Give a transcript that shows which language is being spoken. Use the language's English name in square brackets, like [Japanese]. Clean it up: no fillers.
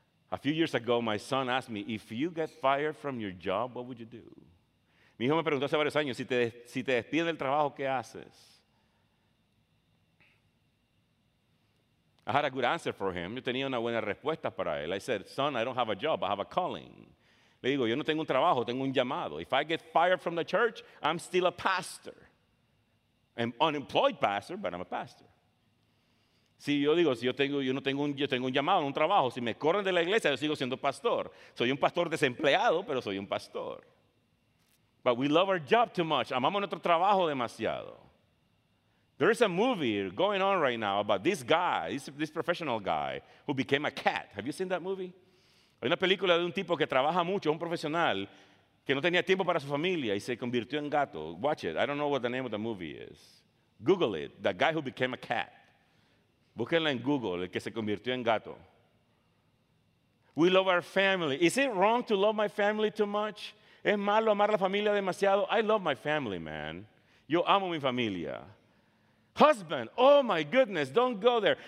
[English] A few years ago, my son asked me, if you get fired from your job, what would you do? [Spanish] Mi hijo me preguntó hace varios años, si te despiden del trabajo, ¿qué haces? [English] I had a good answer for him. [Spanish] Yo tenía una buena respuesta para él. [English] I said, son, I don't have a job. I have a calling. [Spanish] Le digo, yo no tengo un trabajo, tengo un llamado. [English] If I get fired from the church, I'm still a pastor. I'm unemployed pastor, but I'm a pastor. [Spanish] Si yo digo, si yo tengo, yo no tengo un, yo tengo un llamado, un trabajo, si me corren de la iglesia, yo sigo siendo pastor. Soy un pastor desempleado, pero soy un pastor. [English] But we love our job too much. [Spanish] Amamos nuestro trabajo demasiado. [English] There is a movie going on right now about this guy, this professional guy who became a cat. Have you seen that movie? [Spanish] Hay una película de un tipo que trabaja mucho, un profesional que no tenía tiempo para su familia y se convirtió en gato. [English] Watch it. I don't know what the name of the movie is. Google it. The guy who became a cat. [Spanish] Búsquenla en Google, el que se convirtió en gato. [English] We love our family. Is it wrong to love my family too much? [Spanish] ¿Es malo amar la familia demasiado? [English] I love my family, man. [Spanish] Yo amo mi familia. [English] Husband, oh my goodness, don't go there.